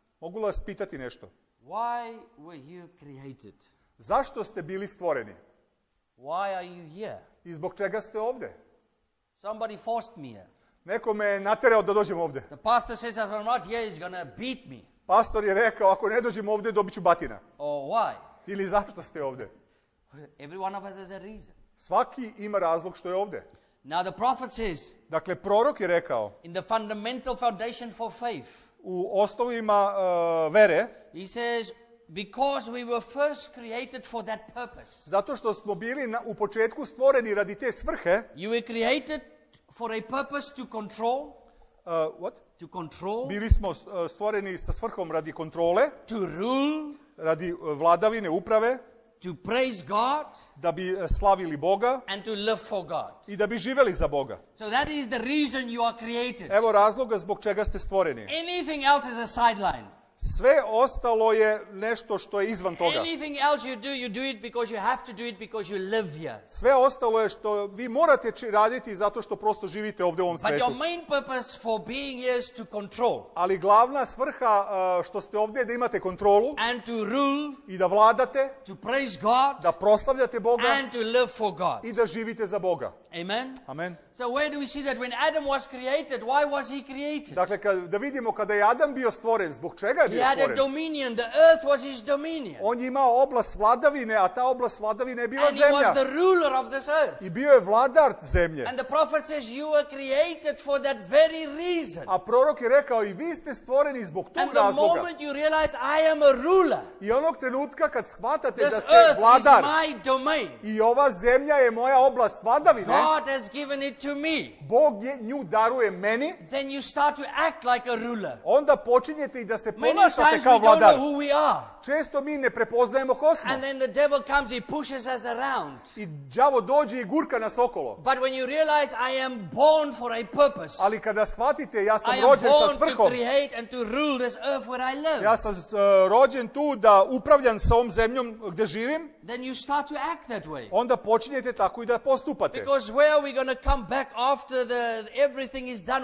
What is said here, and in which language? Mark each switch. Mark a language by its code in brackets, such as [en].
[sr] mogu li vas pitati nešto? [en] Why were you created? [sr] Zašto ste bili stvoreni? [en] Why are you here? [sr] I zbog čega ste ovdje? [en] Somebody forced me here. [sr] Neko me je naterao da dođem ovdje. [en] The pastor says if I'm not here, he's gonna beat me. [sr] Pastor je rekao, ako ne dođem ovdje, dobit ću batina. [en] Oh, why? [sr] Ili zašto ste ovdje? [en] Every one of us has a reason. [sr] Svaki ima razlog što je ovdje. [en] Now the prophet says, [sr] dakle, prorok je rekao, [en] in the fundamental foundation for faith, [sr] u osnovima vere, [en] he says, because we were first created for that purpose. [sr] Zato što smo bili u početku stvoreni radi te svrhe, [en] you were created for a purpose to control, what? To control, [sr] bili smo stvoreni sa svrhom radi kontrole, [en] to rule, [sr] radi vladavine, uprave, [en] to praise God, [sr] da bi slavili Boga, [en] and to live for God, [sr] i da bi živjeli za Boga. [en] So that is the reason you are created. [sr] Evo razloga zbog čega ste stvoreni. [en] Anything else is a sideline. [sr] Sve ostalo je nešto što je izvan toga. [en] Anything else you do, you do it because you have to do it because you live here. [sr] Sve ostalo je što vi morate raditi zato što prosto živite ovdje u ovom svijetu. [en] But your main purpose for being here is to control. [sr] Ali glavna svrha što ste ovdje je da imate kontrolu. [en] And to rule. [sr] I da vladate. [en] To praise God. [sr] Da proslavljate Boga. [en] And to live for God. [sr] I da živite za Boga. [en] Amen. [sr] Amen. [en] So where do we see that when Adam was created, why was he created? [sr] Dakle, da vidimo kada je Adam bio stvoren, zbog čega je bio stvoren? [en] He had a dominion, the earth was his dominion. [sr] On je imao oblast vladavine, a ta oblast vladavine je bila zemlja. [en] And he was the ruler of this earth. [sr] I bio je vladar zemlje. [en] And the prophet says you were created for that very reason. [sr] A prorok je rekao i vi ste stvoreni zbog tog razloga. [en] And the moment you realize I am a ruler. [sr] I onog trenutka kad shvatate [en] this [sr] da ste vladar. [en] This earth is my domain. [sr] I ova zemlja je moja oblast vladavine. [en] God has given it to me. [sr] Bog je nju daruje meni. [en] Then you start to act like a ruler. [sr] Onda počinjete i da se [en] many [sr] ponašate kao vladar. [en] Don't know who we are. [sr] Često mi ne prepoznajemo ko smo. [en] And then the devil comes, he pushes us around. [sr] I đavo dođe i gurka nas okolo. [en] But when you realize I am born for a purpose. [sr] Ali kada shvatite ja sam rođen sa svrhom. [en] I am born to create and to rule this earth where I live. [sr] Ja sam rođen tu da upravljam sa ovom zemljom gdje živim. [en] Then you start to act that way. [sr] Onda počinjete tako i da postupate. [en] Because where are we going to come back after the everything is done?